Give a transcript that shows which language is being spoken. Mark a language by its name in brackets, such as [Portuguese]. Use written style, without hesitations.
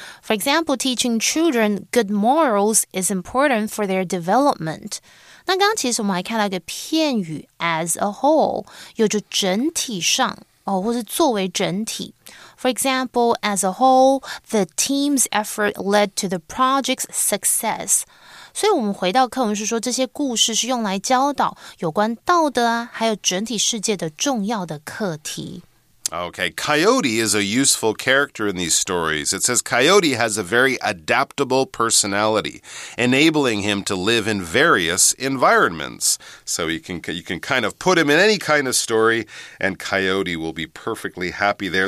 [English] For example, teaching children good morals is important for their development. [Chinese] 那刚刚其实我们还看到一个片语 [English] as a whole, [Chinese] 有着整体上哦，或是作为整体。 [English] For example, as a whole, the team's effort led to the project's success. [Chinese] 所以我们回到课文是说这些故事是用来教导有关道德啊，还有整体世界的重要的课题。 [English] Okay, Coyote is a useful character in these stories. It says Coyote has a very adaptable personality, enabling him to live in various environments. So you can kind of put him in any kind of story, and Coyote will be perfectly happy there.